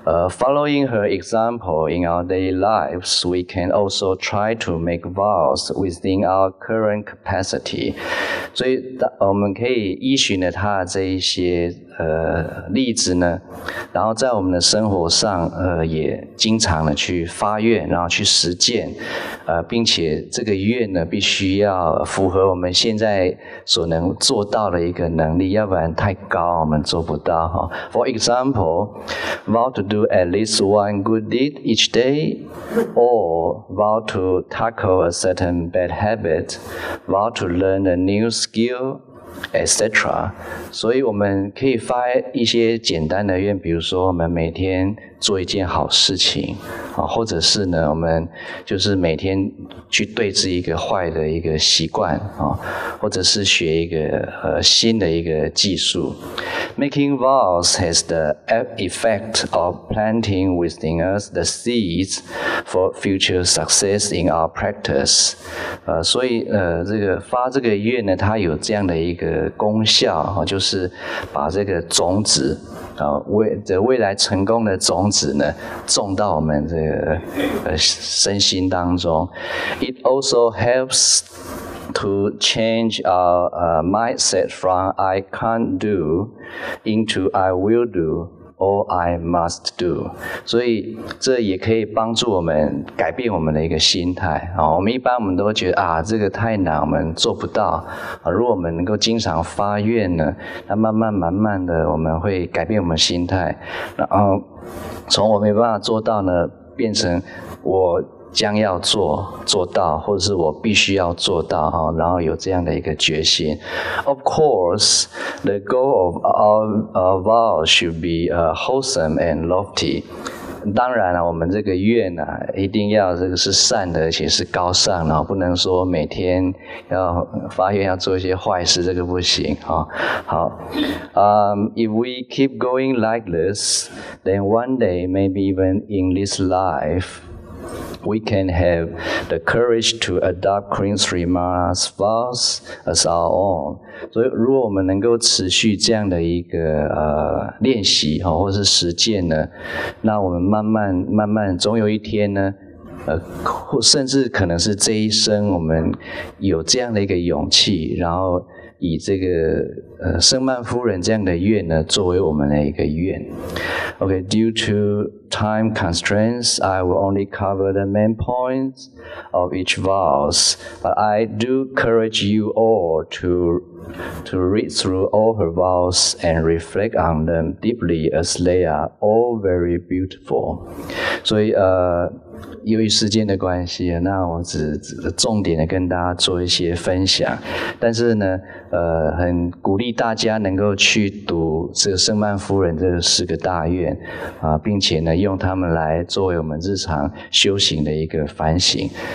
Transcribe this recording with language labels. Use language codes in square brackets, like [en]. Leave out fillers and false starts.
[en] Following her example in our daily lives, we can also try to make vows within our current capacity. [zh] 所以我们可以依循了她的这一些例子呢，然后在我们的生活上也经常的去发愿，然后去实践，并且这个愿呢必须要符合我们现在所能做到的一个能力，要不然太高我们做不到。 [en] For example, vow to do at least one good deed each day, or vow to tackle a certain bad habit, vow to learn a new skill,etc. [zh] 所以我们可以发一些简单的愿，比如说我们每天做一件好事情，或者是呢我们就是每天去对治一个坏的一个习惯，或者是学一个新的一个技术。 [en] Making vows has the effect of planting within us the seeds for future success in our practice. [zh] 所以这个发这个愿呢，它有这样的一个功效，就是把这个种子未来成功的种子呢种到我们这个身心当中。 [en] It also helps to change our mindset from I can't do into I will door I must do. [zh] 所以这也可以帮助我们改变我们的一个心态。我们一般我们都觉得这个太难，我们做不到。如果我们能够经常发愿呢，那慢慢慢慢的我们会改变我们心态。然后从我没办法做到呢，变成我将要做到，或者是我必须要做到，然后有这样的一个决心。 [en] Of course, the goal of our vow should be wholesome and lofty. [zh] 当然了，我们这个愿一定要这个是善的，而且是高尚，然后不能说每天要发愿要做一些坏事，这个不行。 [en] If we keep going like this, then one day, maybe even in this life,we can have the courage to adopt Queen Sri Mara's vows as our own. [zh] 所以如果我们能够持续这样的一个练习或是实践呢，那我们慢慢慢慢总有一天呢甚至可能是这一生，我们有这样的一个勇气，然后以这个圣曼夫人这样的愿呢作为我们的一个愿。 [en] Okay, due to time constraints, I will only cover the main points of each vows, but I do encourage you all to read through all her vows and reflect on them deeply as they are all very beautiful. [zh] 所以由于时间的关系，那我只重点的跟大家做一些分享，但是呢很鼓励大家能够去读这个圣曼夫人这四个大愿并且呢用它们来作为我们日常修行的一个反省。